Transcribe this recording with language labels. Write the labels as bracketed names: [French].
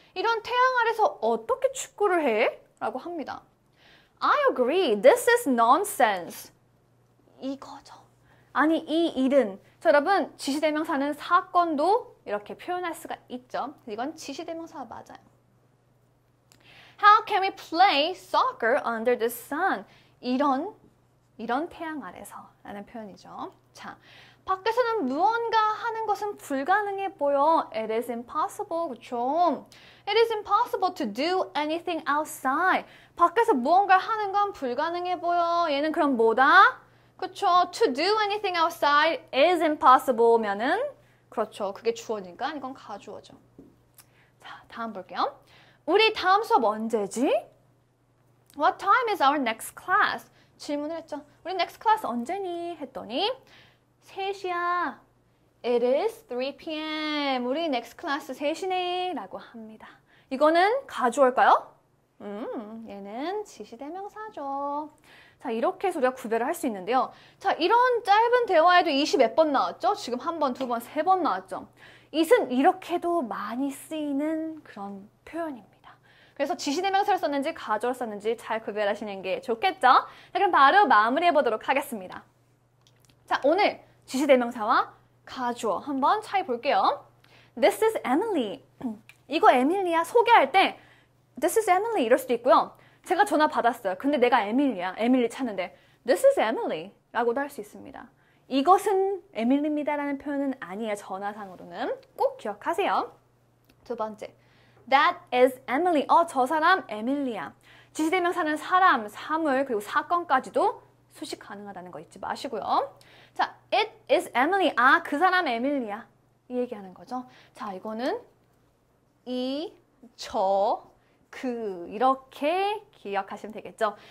[Korean] 이런 태양 아래서 어떻게 축구를 해? 라고 합니다. [English] I agree. This is nonsense. [Korean] 이거죠. 아니, 이 일은. 자, 여러분, 지시대명사는 사건도 이렇게 표현할 수가 있죠. 이건 지시대명사 맞아요. [English] How can we play soccer under the sun? [Korean] 이런 태양 아래서 라는 표현이죠. 자, 밖에서는 무언가 하는 것은 불가능해 보여. [English] It is impossible, 그쵸? It is impossible to do anything outside. [Korean] 밖에서 무언가 하는 건 불가능해 보여. 얘는 그럼 뭐다? 그쵸, [English] to do anything outside is impossible [Korean] 면은 그렇죠, 그게 주어니까 이건 가주어죠. 자, 다음 볼게요. 우리 다음 수업 언제지? [English] What time is our next class? [Korean] 질문을 했죠. 우리 next class 언제니? 했더니 3시야. [English] It is 3 PM. [Korean] 우리 next class 3시네. 라고 합니다. 이거는 가주어일까요? 얘는 지시대명사죠. 자, 이렇게 해서 우리가 구별을 할 수 있는데요. 자, 이런 짧은 대화에도 20 몇 번 나왔죠? 지금 한 번, 두 번, 세 번 나왔죠? it은 이렇게도 많이 쓰이는 그런 표현입니다. 그래서 지시대명사를 썼는지 가주어를 썼는지 잘 구별하시는 게 좋겠죠? 자, 그럼 바로 마무리해 보도록 하겠습니다. 자, 오늘 지시대명사와 가주어 한번 차이 볼게요. [English] This is Emily. [Korean] 이거 에밀리야 소개할 때 [English] This is Emily [Korean] 이럴 수도 있고요. 제가 전화 받았어요. 근데 내가 에밀리야. 에밀리 찾는데 [English] This is Emily [Korean] 라고도 할 수 있습니다. 이것은 에밀리입니다 라는 표현은 아니에요. 전화상으로는 꼭 기억하세요. 두 번째 [English] That is Emily. [Korean] 저 사람 에밀리야. 지시대명사는 사람, 사물, 그리고 사건까지도 수식 가능하다는 거 잊지 마시고요. 자, [English] It is Emily. [Korean] 아, 그 사람 에밀리야. 이 얘기하는 거죠. 자, 이거는 이, 저, 그 이렇게 기억하시면 되겠죠.